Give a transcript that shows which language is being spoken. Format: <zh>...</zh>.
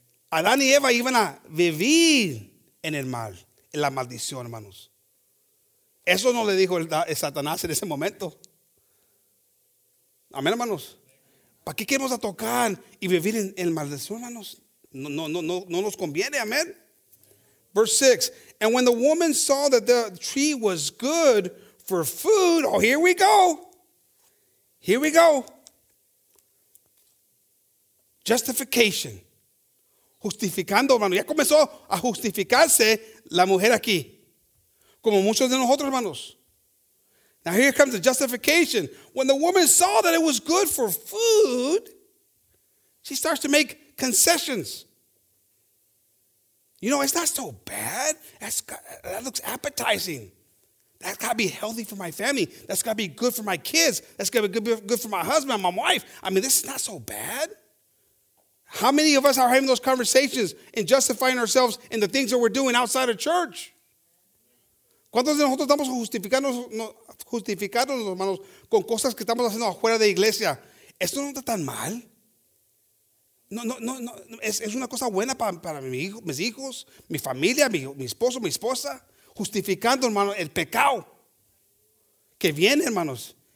<es>Adán y Eva iban a vivir en el mal, en la maldición, hermanos. Eso no le dijo el Satanás en ese momento. Amén, hermanos. ¿Para qué queremos a tocar y vivir en maldición, hermanos? No nos conviene, amén.</es> <en>Verse 6. And when the woman saw that the tree was good for food. Oh, here we go. Here we go. Justification.</en> <es>Justificando, hermano. Ya comenzó a justificarse la mujer aquí. Como muchos de nosotros, hermanos.</es> <en>Now here comes the justification. When the woman saw that it was good for food, she starts to make concessions. You know, it's not so bad. That looks appetizing. That's got to be healthy for my family. That's got to be good for my kids. That's got to be good for my husband and my wife. I mean, this is not so bad. How many of us are having those conversations and justifying ourselves in the things that we're doing outside of church?</en> <es>¿Cuántos de nosotros estamos justificándonos, hermanos, con cosas que estamos haciendo afuera de iglesia? ¿Esto no está tan mal? No. Es una cosa buena para mis hijos, mi familia, mi esposo, mi esposa. Justificando, hermano, el pecado que viene, hermanos.</es>